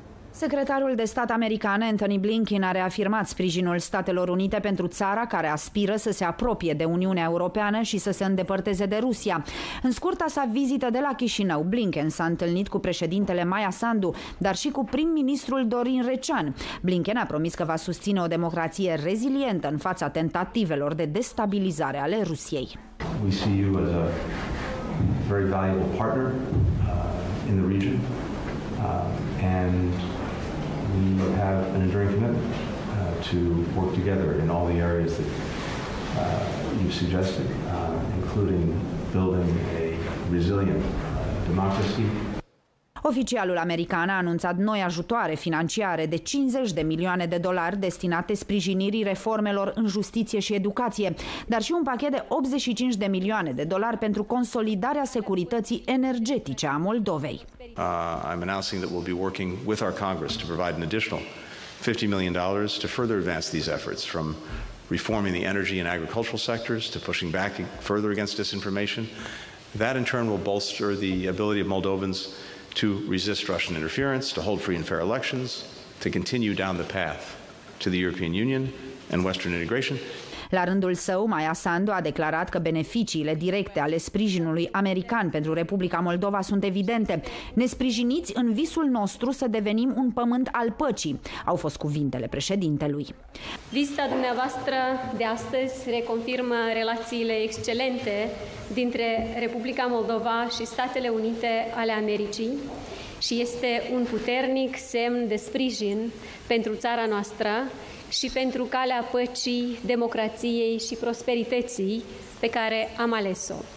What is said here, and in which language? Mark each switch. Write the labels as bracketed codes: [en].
[ro] Secretarul de stat american Antony Blinken a reafirmat sprijinul Statelor Unite pentru țara care aspiră să se apropie de Uniunea Europeană și să se îndepărteze de Rusia. În scurta sa vizită de la Chișinău, Blinken s-a întâlnit cu președintele Maia Sandu, dar și cu prim-ministrul Dorin Recean. Blinken a promis că va susține o democrație rezilientă în fața tentativelor de destabilizare ale Rusiei. [en] We see you as a very valuable partner in the region. And we have an enduring commitment to work together in all the areas that you've suggested, including building a resilient democracy. [ro] Oficialul american a anunțat noi ajutoare financiare de 50 de milioane de dolari destinate sprijinirii reformelor în justiție și educație, dar și un pachet de 85 de milioane de dolari pentru consolidarea securității energetice a Moldovei. [en] I'm announcing that we'll be working with our Congress to provide an additional $50 million to further advance these efforts, from reforming the energy and agricultural sectors to pushing back further against disinformation. That in turn will bolster the ability of Moldovans to resist Russian interference, to hold free and fair elections, to continue down the path to the European Union and Western integration. [ro] La rândul său, Maia Sandu a declarat că beneficiile directe ale sprijinului american pentru Republica Moldova sunt evidente. Ne sprijiniți în visul nostru să devenim un pământ al păcii, au fost cuvintele președintelui. Vizita dumneavoastră de astăzi reconfirmă relațiile excelente dintre Republica Moldova și Statele Unite ale Americii și este un puternic semn de sprijin pentru țara noastră și pentru calea păcii, democrației și prosperității pe care am ales-o.